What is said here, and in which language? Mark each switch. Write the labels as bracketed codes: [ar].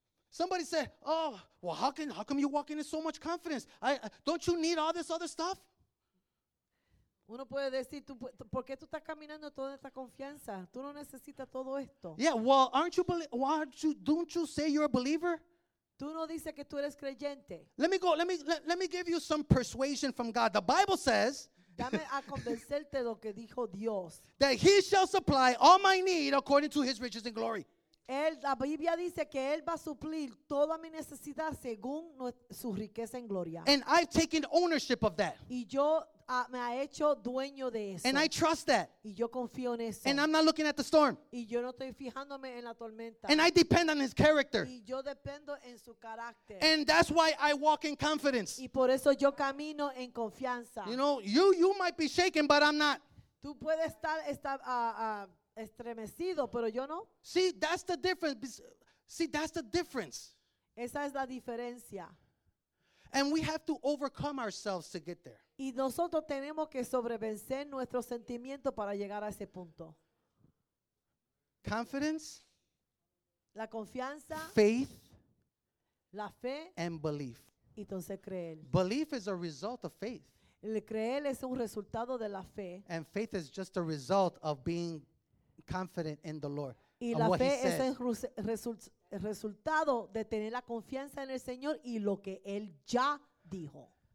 [en] Somebody said, "Oh, well, how come you walk in so much confidence? Don't you need all this other stuff?" [es] Uno puede decir, ¿por qué tú estás caminando toda esta confianza? Tú no necesitas todo esto. [en] Yeah, well, don't you say you're a believer? [es] Tú no dices que tú eres creyente. [en] Let me give you some persuasion from God. The Bible says, [es] dame a convencerte lo que dijo Dios. [en] That he shall supply all my need according to his riches and glory. [es] La Biblia dice que él va a suplir toda mi necesidad según su riqueza en gloria. [en] And I've taken ownership of that. [es] Y yo me ha hecho dueño de eso. [en] And I trust that. [es] Y yo confío en eso. [en] And I'm not looking at the storm. [es] Y yo no estoy fijándome en la tormenta. [en] And I depend on his character. [es] Y yo dependo en su carácter. [en] And that's why I walk in confidence. [es] Y por eso yo camino en confianza. [en] You know, you might be shaken, but I'm not. [es] Tú puedes estar estremecido, pero yo no. [en] See, that's the difference. See, that's the difference. [es] Esa es la diferencia. [en] And we have to overcome ourselves to get there. [es] Y nosotros tenemos que sobrevencer nuestros sentimientos para llegar a ese punto. [en] Confidence. [es] La confianza. [en] Faith. [es] La fe. [en] And belief. [es] Y entonces creer. [en] Belief is a result of faith. [es] El creer es un resultado de la fe. [en] And faith is just a result of being confident in the Lord. [es] Y la fe es el resultado de tener la confianza en el Señor y lo que él ya dijo.